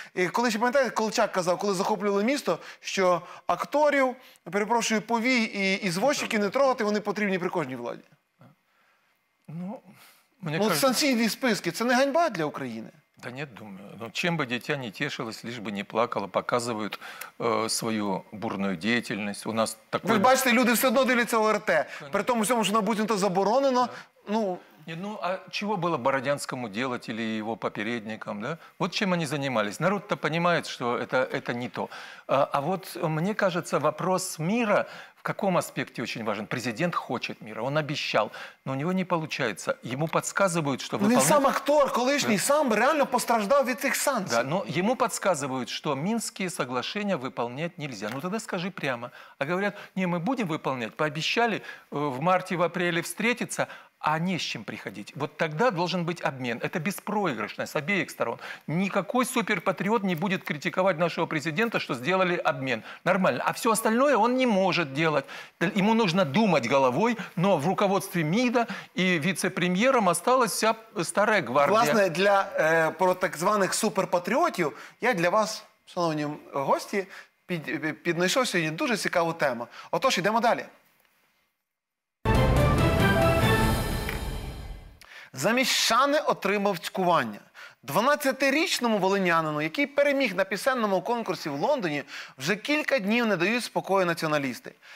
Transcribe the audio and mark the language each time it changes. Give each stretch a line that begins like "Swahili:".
Ukrainian: І коли ще пам'ятаєте, Колчак казав, коли захоплювали місто, що акторів, перепрошую, повій і ізвозчиків не трогати, вони потрібні при кожній владі. Ну...
Russian: Мне кажется,
Ukrainian: санкційні списки – це не ганьба для України?
Russian: Да нет, думаю. Ну, чем бы дитя не тешилось, лишь бы не плакало, показывают свою бурную деятельность. У нас такой...
Ukrainian: Ви бачите, люди все одно дивляться ОРТ. При тому всьому, що набутнє-то заборонено.
Russian: Да. Ну... Нет, ну, а чего было Бородянскому делать или его попередникам? Да? Вот чем они занимались. Народ-то понимает, что это не то. А вот мне кажется, вопрос мира... В каком аспекте очень важен? Президент хочет мира, он обещал, но у него не получается. Ему подсказывают, что... Выполнять... Сам актор, колишний, сам реально постраждал от этих санкций. Да, но ему подсказывают, что Минские соглашения выполнять нельзя. Ну тогда скажи прямо. А говорят, не, мы будем выполнять, пообещали в марте, в апреле встретиться, а не с чем приходить. Вот тогда должен быть обмен. Это беспроигрышно с обеих сторон. Никакой суперпатриот не будет критиковать нашего президента, что сделали обмен. Нормально. А все остальное он не может делать. Ему нужно думать головой, но в руководстве МИДа и вице-премьером осталась вся старая гвардия.
Ukrainian: Власне, для про так званих суперпатріотів я для вас, шановні гості, піднайшов сьогодні дуже цікаву тему. Отож, йдемо далі. Замість шани отримав цькування. 12-річному волинянину, який переміг на пісенному конкурсі в Лондоні, вже кілька днів не дають спокою націоналісти.